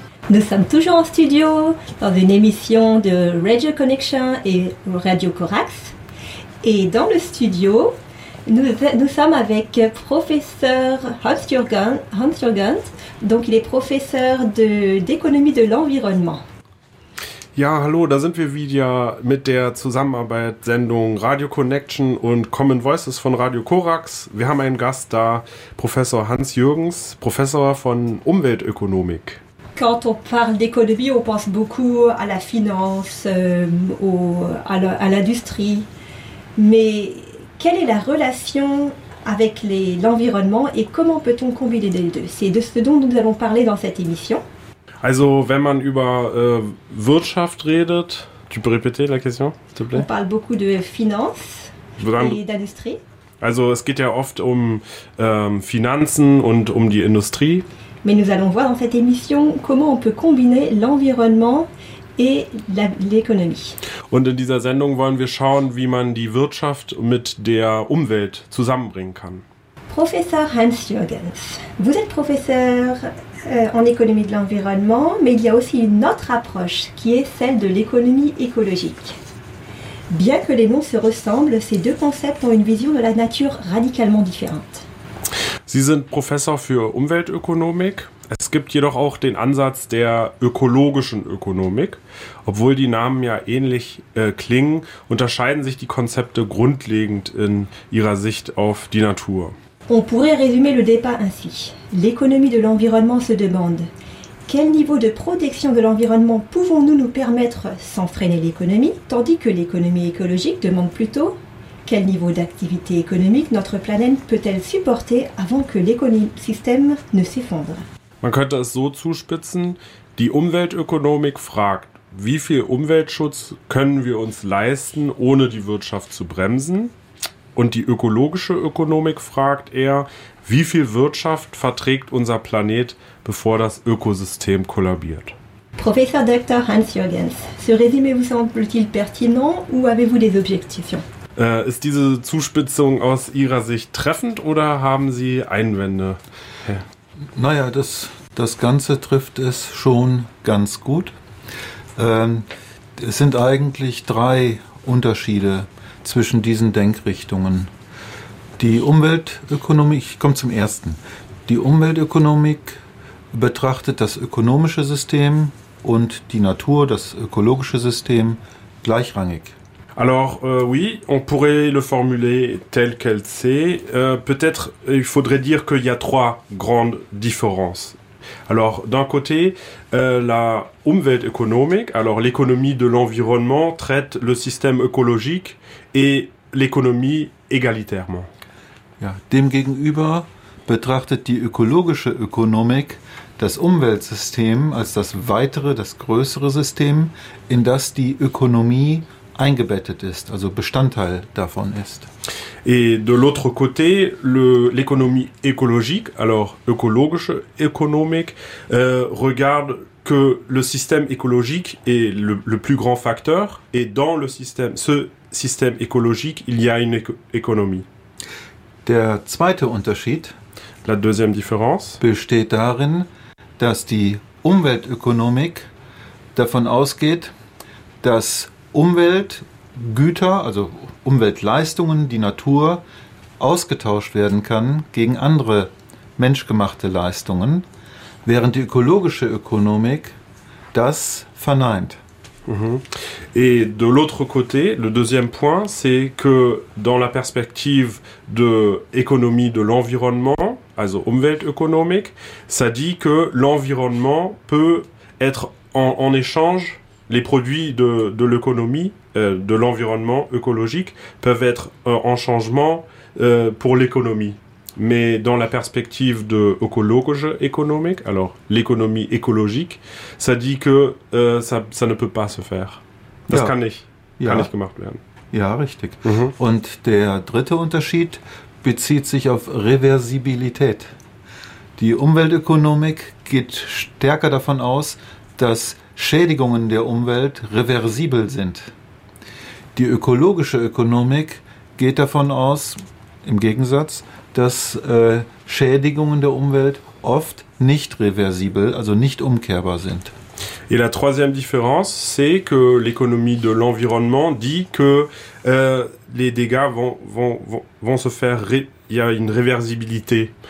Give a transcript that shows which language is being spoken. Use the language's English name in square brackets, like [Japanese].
[French] Nous sommes toujours en studio dans une émission de Radio Connection et Radio Corax. Et dans le studio, nous sommes avec professeur Hans Jürgens. Donc, il est professeur d'économie de l'environnement. [German] Ja, hallo, da sind wir wieder mit der Zusammenarbeitssendung Radio Connection und Common Voices von Radio Corax. Wir haben einen Gast da, Professor Hans Jürgens, Professor von Umweltökonomik. [French] Quand on parle d'économie, on pense beaucoup à la finance, à l'industrie. Mais quelle est la relation avec l'environnement et comment peut-on combiner les deux? C'est de ce dont nous allons parler dans cette émission. [German] Also, wenn man über Wirtschaft redet, [French] tu peux répéter la question, s'il te plaît? On parle beaucoup de finance et d'industrie. [German] Also, es geht ja oft um Finanzen und um die Industrie. [French] Mais nous allons voir dans cette émission comment on peut combiner l'environnement et l'économie. [German] Und in dieser Sendung wollen wir schauen, wie man die Wirtschaft mit der Umwelt zusammenbringen kann. [French] Professeur Hans Jürgens, vous êtes professeur en économie de l'environnement, mais il y a aussi une autre approche qui est celle de l'économie écologique. Bien que les noms se ressemblent, ces deux concepts ont une vision de la nature radicalement différente. [German] Sie sind Professor für Umweltökonomik. Es gibt jedoch auch den Ansatz der ökologischen Ökonomik. Obwohl die Namen ja ähnlich klingen, unterscheiden sich die Konzepte grundlegend in ihrer Sicht auf die Natur. [French] On pourrait résumer le débat ainsi. L'économie de l'environnement se demande: quel niveau de protection de l'environnement pouvons-nous nous permettre sans freiner l'économie, tandis que l'économie écologique demande plutôt: quel niveau d'activité économique notre planète peut-elle supporter avant que l'écosystème ne s'effondre? [German] Man könnte es so zuspitzen: die Umweltökonomik fragt, wie viel Umweltschutz können wir uns leisten, ohne die Wirtschaft zu bremsen? Und die ökologische Ökonomik fragt eher, wie viel Wirtschaft verträgt unser Planet, bevor das Ökosystem kollabiert? Professor Dr. [French] Hans Jürgens, ce résumé vous semble-t-il pertinent ou avez-vous des objections? [German] Ist diese Zuspitzung aus Ihrer Sicht treffend oder haben Sie Einwände? Ja. Naja, das Ganze trifft es schon ganz gut. Es sind eigentlich drei Unterschiede zwischen diesen Denkrichtungen. Die Umweltökonomik, ich komme zum ersten. Die Umweltökonomik betrachtet das ökonomische System und die Natur, das ökologische System, gleichrangig. [French] Alors oui, on pourrait le formuler tel quel c'est. Peut-être il faudrait dire qu'il y a trois grandes différences. Alors d'un côté, la Umweltökonomik, alors l'économie de l'environnement, traite le système écologique et l'économie égalitairement. [German] Ja, demgegenüber betrachtet die ökologische Ökonomik das Umweltsystem als das weitere, das größere System, in das die Ökonomie eingebettet ist, also Bestandteil davon ist. [French] Et de l'autre côté, l'économie écologique, alors ökologische Ökonomik, regarde que le système écologique est le plus grand facteur et dans le système, ce système écologique, il y a une économie. [German] Der zweite Unterschied, [French] la deuxième différence, [German] besteht darin, dass die Umweltökonomik davon ausgeht, dass Umweltgüter, also Umweltleistungen, die Natur ausgetauscht werden kann gegen andere menschgemachte Leistungen, während die ökologische Ökonomik das verneint. Mhm. [French] Et de l'autre côté, le deuxième point, c'est que dans la perspective de économie de l'environnement, also Umweltökonomik, ça dit que l'environnement peut être en échange. Les produits de l'économie, de l'environnement écologique, peuvent être en changement pour l'économie. Mais dans la perspective de ökologische Ökonomik, alors l'économie écologique, ça dit que ça ne peut pas se faire. [German] Das ja. kann nicht gemacht werden. Ja, richtig. Mhm. Und der dritte Unterschied bezieht sich auf Reversibilität. Die Umweltökonomik geht stärker davon aus, dass Schädigungen der Umwelt reversibel sind. Die ökologische Ökonomik geht davon aus, im Gegensatz, dass Schädigungen der Umwelt oft nicht réversibel, also nicht umkehrbar sind. [French] Et la troisième différence, c'est que l'économie de l'environnement dit que les dégâts vont se faire, il y a une réversibilité.